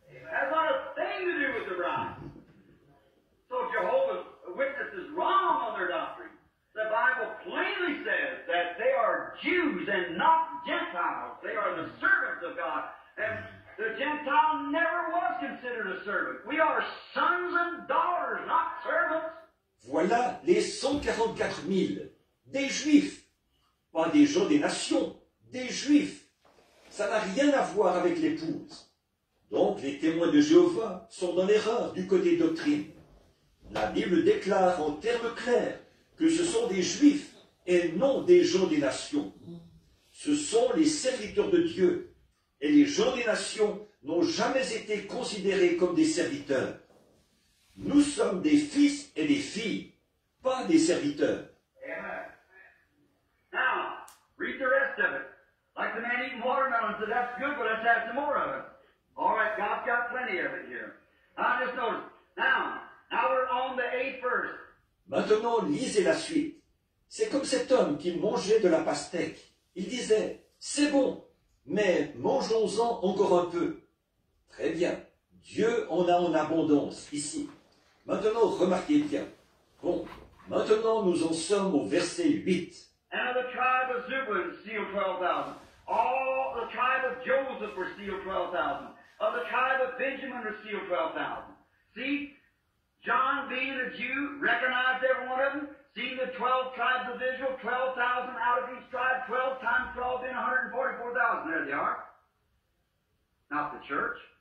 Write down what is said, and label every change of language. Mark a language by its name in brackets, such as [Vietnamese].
[English] That's not a thing to do with the rock. So if Jehovah's witness is wrong on their doctrine, the Bible plainly says that they are Jews and not Gentiles. They are the servants of God. And the Gentile never was considered a servant. We are sons and daughters, not servants. [French] Voilà les 144 000. Des Juifs. Pas des gens des nations. Des Juifs. Ça n'a rien à voir avec l'épouse. Donc les témoins de Jéhovah sont dans l'erreur du côté doctrine. La Bible déclare en termes clairs que ce sont des Juifs et non des gens des nations. Ce sont les serviteurs de Dieu. Et les gens des nations n'ont jamais été considérés comme des serviteurs. Nous sommes des fils et des filles, pas des serviteurs. [English] Amen. Now, read the rest of it. Like the man eating watermelon said, that's good, but let's have some more of it. All right, God's got plenty of it here. I just noticed. Now we're on the eighth verse. [French] Maintenant, lisez la suite. C'est comme cet homme qui mangeait de la pastèque. Il disait, c'est bon, mais mangeons-en encore un peu. Très bien. Dieu en a en abondance, ici. Maintenant, remarquez bien. Bon, maintenant nous en sommes au verset 8. [English] And the tribe of Zebulun sealed 12,000. All the tribe of Joseph were sealed 12,000. Of the tribe of Benjamin were sealed 12,000. See, John being a Jew, recognized every one of them. Seeing the 12 tribes of Israel, 12,000 out of each tribe, 12 times 12, then 144,000. There they are. Not the church.